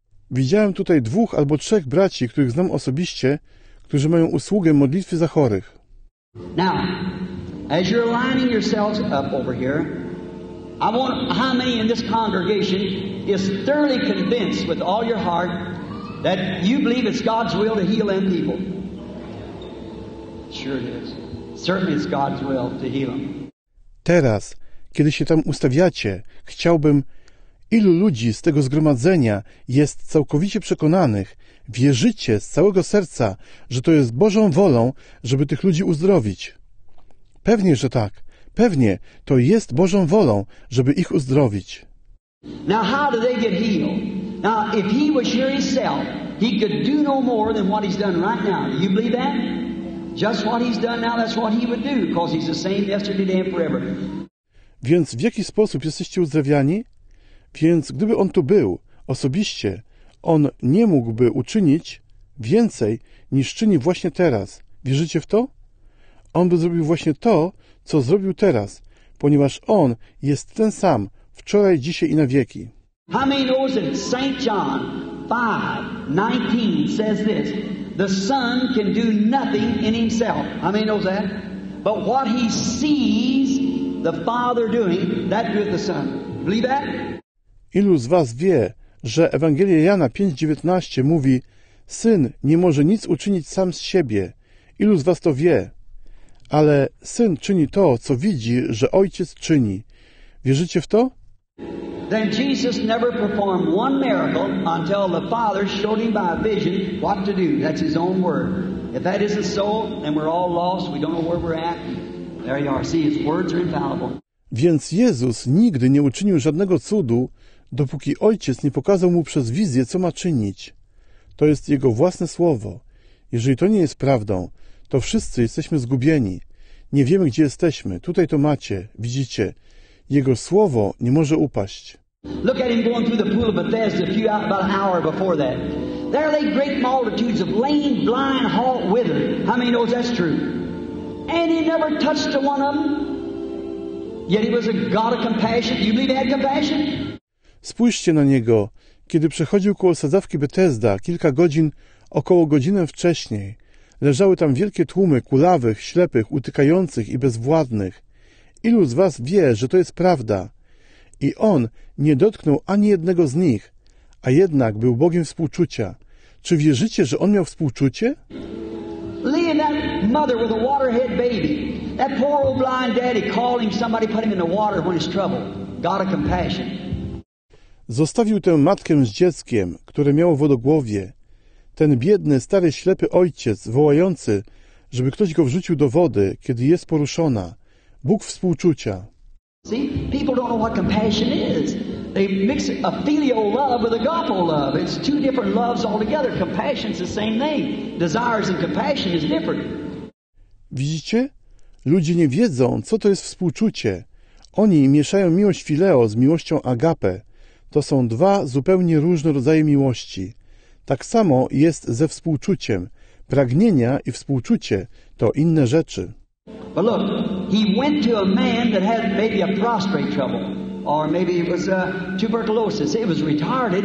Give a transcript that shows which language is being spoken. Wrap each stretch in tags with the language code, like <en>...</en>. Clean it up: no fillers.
<pl>Widziałem tutaj dwóch albo trzech braci, których znam osobiście, którzy mają usługę modlitwy za chorych.</pl> <en>Now, as you're lining yourselves up over here, I want how many in this congregation is thoroughly convinced with all your heart that you believe it's God's will to heal them people. Sure it is. Certainly it's God's will to heal them.</en> <pl>Teraz, kiedy się tam ustawiacie, chciałbym, ilu ludzi z tego zgromadzenia jest całkowicie przekonanych, wierzycie z całego serca, że to jest Bożą wolą, żeby tych ludzi uzdrowić? Pewnie, że tak. Pewnie to jest Bożą wolą, żeby ich uzdrowić.</pl> <en>Now how do they get healed? Now if he was sure himself, he could do no more than what he's done right now. Do you believe that? Just what he's done now, that's what he would do, because he's the same yesterday, today and forever.</en> <pl>Więc w jaki sposób jesteście uzdrawiani? Więc gdyby on tu był, osobiście, on nie mógłby uczynić więcej niż czyni właśnie teraz. Wierzycie w to? On by zrobił właśnie to, co zrobił teraz, ponieważ on jest ten sam wczoraj, dzisiaj i na wieki.</pl> <en>How many knows that St. John 5:19 says this? The Son can do nothing in himself. How many knows that? But what he sees the Father doing, that doeth the Son. Believe that?</en> <pl>Ilu z was wie, że Ewangelia Jana 5:19 mówi: Syn nie może nic uczynić sam z siebie. Ilu z was to wie? Ale Syn czyni to, co widzi, że Ojciec czyni. Wierzycie w to?</pl> <en>Then Jesus never performed one miracle until the Father showed him by a vision what to do. That's his own word. If that isn't so, then we're all lost. We don't know where we're at. There you are. See, his words are infallible.</en> <pl>Więc Jezus nigdy nie uczynił żadnego cudu, dopóki Ojciec nie pokazał mu przez wizję, co ma czynić. To jest jego własne słowo. Jeżeli to nie jest prawdą, to wszyscy jesteśmy zgubieni. Nie wiemy, gdzie jesteśmy. Tutaj to macie. Widzicie? Jego słowo nie może upaść.</pl> <en>Look at him going through the pool of Bethesda about an hour before that. There lay great multitudes of lame, blind, halt, withered. How many knows that's true? And he never touched a one of them. Yet he was a God of compassion. You believe he had compassion?</en> <pl>Spójrzcie na niego, kiedy przechodził koło sadzawki Bethesda kilka godzin, około godzinę wcześniej. Leżały tam wielkie tłumy kulawych, ślepych, utykających i bezwładnych. Ilu z was wie, że to jest prawda? I on nie dotknął ani jednego z nich, a jednak był Bogiem współczucia. Czy wierzycie, że on miał współczucie?</pl> <en>Leaving that mother with a waterhead baby. That poor old blind daddy calling somebody, put him in the water when he's troubled. God of compassion.</en> <pl>Zostawił tę matkę z dzieckiem, które miało wodogłowie. Ten biedny, stary, ślepy ojciec, wołający, żeby ktoś go wrzucił do wody, kiedy jest poruszona. Bóg współczucia.</pl> <en>See, people don't know what compassion is. They mix a filial love with a agapo love. It's two different loves altogether. Compassion's the same thing. Desires and compassion is different.</en> <pl>Widzicie? Ludzie nie wiedzą, co to jest współczucie. Oni mieszają miłość fileo z miłością agape. To są dwa zupełnie różne rodzaje miłości. Tak samo jest ze współczuciem. Pragnienia i współczucie to inne rzeczy.</pl> <en>But look, he went to a man that had maybe a prostate trouble, or maybe it was tuberculosis. It was retarded.</en>